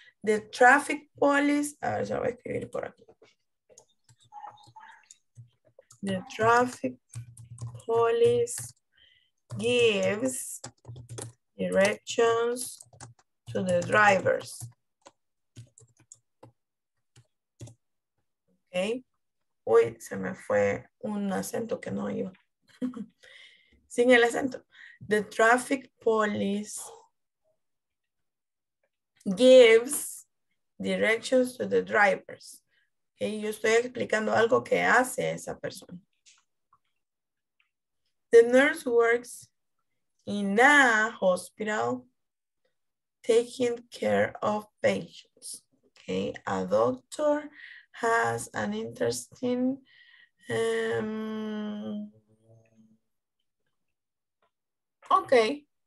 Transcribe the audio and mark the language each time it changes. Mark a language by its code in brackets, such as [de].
[en] The traffic police, [es] a ver, se va a escribir por aquí. [en] The traffic police gives directions to the drivers. Okay. [es] Uy, se me fue un acento que no iba. Sin el acento. [en] The traffic police gives directions to the drivers. [es] Okay, yo estoy explicando algo que hace esa persona. [en] The nurse works in a hospital taking care of patients. Okay, a doctor has an interesting okay.